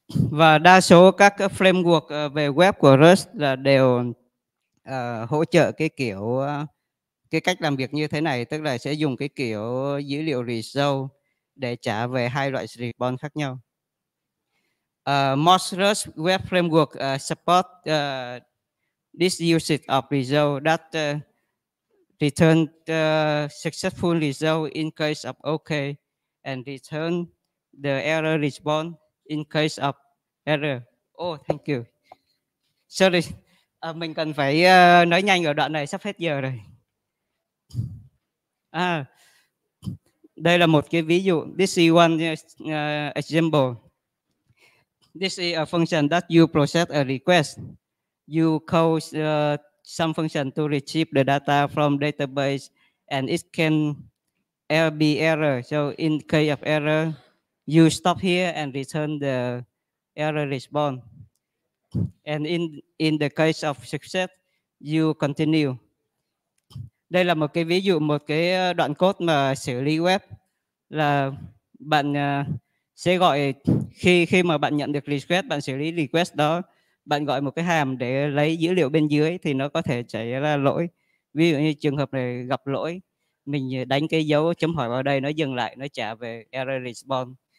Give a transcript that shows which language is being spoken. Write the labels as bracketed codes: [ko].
[vi] Và đa số các framework về web của Rust là đều hỗ trợ cái kiểu cái cách làm việc như thế này, tức là sẽ dùng cái kiểu dữ liệu result để trả về hai loại response khác nhau. [en] Most Rust web framework support this usage of result that return successful result in case of OK and return the error response in case of error. Oh, thank you. [vi] Sorry, mình cần phải nói nhanh ở đoạn này, sắp hết giờ rồi. Đây là một cái ví dụ. [en] This is one example. This is a function that you process a request. You call some function to retrieve the data from database, and it can be error. So in case of error, you stop here and return the error response. And in the case of success, you continue. [vi] Đây là một cái ví dụ, một cái đoạn code mà xử lý web. Là bạn sẽ gọi, khi mà bạn nhận được request, bạn xử lý request đó, bạn gọi một cái hàm để lấy dữ liệu bên dưới thì nó có thể xảy ra lỗi. Ví dụ như trường hợp này gặp lỗi, mình đánh cái dấu chấm hỏi vào đây, nó dừng lại, nó trả về error response.